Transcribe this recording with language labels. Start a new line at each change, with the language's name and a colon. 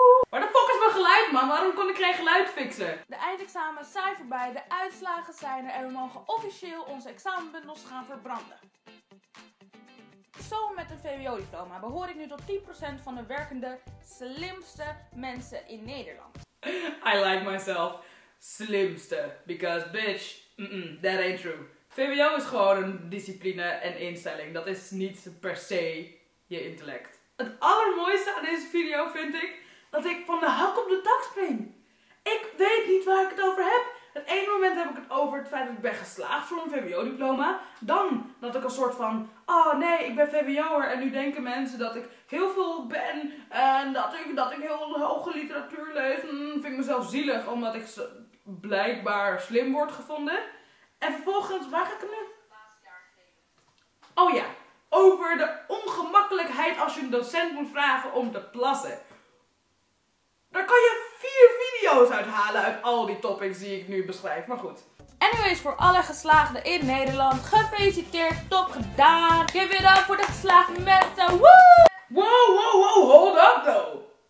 Dutch: Waar de fuck is mijn geluid, man? Waarom kon ik geen geluid fixen? De eindexamen zijn voorbij, de uitslagen zijn er en we mogen officieel onze examenbundels gaan verbranden. Zo met een VWO-diploma behoor ik nu tot 10% van de werkende slimste mensen in Nederland.
English: I like myself slimste, because bitch, that ain't true.
Dutch: VWO is gewoon een discipline en instelling, dat is niet per se je intellect. Het allermooiste aan deze video vind ik dat ik van de hak op de tak spring. Ik weet niet waar ik het over heb. Het ene moment heb ik het over het feit dat ik ben geslaagd voor een VWO-diploma. Dan dat ik een soort van, oh nee, ik ben VWO'er. En nu denken mensen dat ik heel veel ben en dat ik heel hoge literatuur lees. Vind ik mezelf zielig omdat ik blijkbaar slim word gevonden. En vervolgens, waar ga ik het nu? Oh ja. Over de ongemakkelijkheid als je een docent moet vragen om te plassen. Daar kan je 4 video's uit halen uit al die topics die ik nu beschrijf, maar goed. Anyways, voor alle geslaagden in Nederland, gefeliciteerd, top gedaan.
English: Give it up
Dutch: voor de geslaagde mensen, woo!
English: Wow, wow, wow, hold up though.